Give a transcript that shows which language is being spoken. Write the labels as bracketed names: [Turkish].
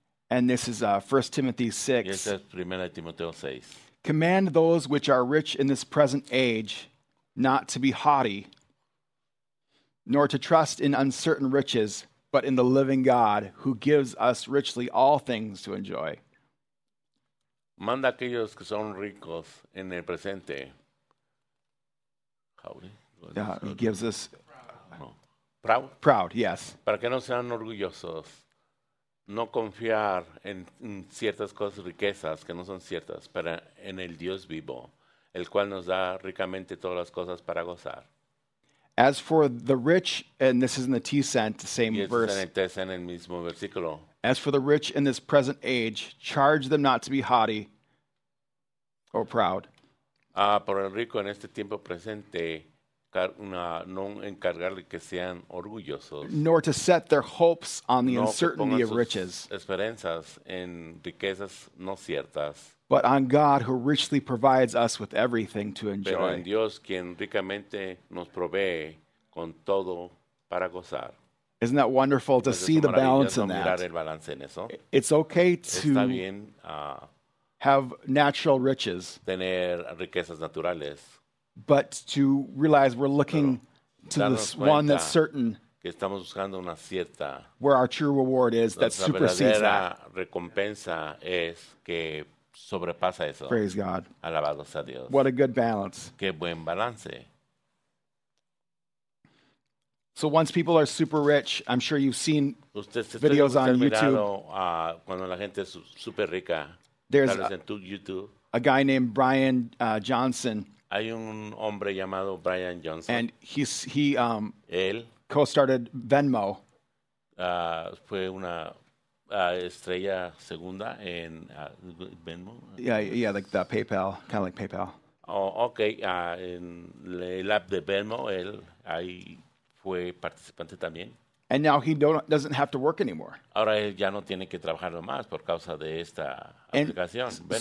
[English] And this is 1 Timothy 6. [Spanish] Y este es Primera Timoteo 6. [English] Command those which are rich in this present age not to be haughty, nor to trust in uncertain riches, but in the living God who gives us richly all things to enjoy. [Spanish] Manda a aquellos que son ricos en el presente. [English] Haughty. Yeah, he gives us proud. Proud, yes. [Spanish] Para que no sean orgullosos, no confiar en ciertas cosas, riquezas que no son ciertas, pero en el Dios vivo, el cual nos da ricamente todas las cosas para gozar. [English] As for the rich, and this is in the T-Cent, same verse. [Spanish] En el T-Cent, el mismo versículo. [English] As for the rich in this present age, charge them not to be haughty or proud. [Spanish] Por el rico en este tiempo presente, encargarle que sean orgullosos, [English] nor to set their hopes on the uncertainty of riches, [Spanish] esperanzas en riquezas no ciertas, [English] but on God who richly provides us with everything to enjoy. [Spanish] Pero en Dios quien ricamente nos provee con todo para gozar. [English] Isn't that wonderful to see the balance in that? [Spanish] El balance en eso. [English] It's okay to [Spanish] Está bien, [English] have natural riches, [Spanish] tener riquezas naturales, [English] but to realize we're looking to this one that's certain, [Spanish] que estamos buscando una cierta, [English] where our true reward is, that supersedes that. [Spanish] Recompensa es que sobrepasa eso. [English] Praise God. [Spanish] Alabado sea Dios. [English] What a good balance. [Spanish] Qué buen balance. [English] So once people are super rich, I'm sure you've seen videos on YouTube. [Spanish] Cuando la gente es super rica, [English] there's a guy named Brian Johnson. [Spanish] Hay un hombre llamado Brian Johnson. [English] And he [Spanish] él [English] co-started Venmo. [Spanish] Fue una estrella segunda en Venmo. [English] Yeah, like the PayPal, kind of like PayPal. Oh, okay. [Spanish] En el app de Venmo, él ahí fue participante también. [English] And now he doesn't have to work anymore. [Spanish] Ahora él ya no tiene que trabajar más por causa de esta aplicación, Venmo.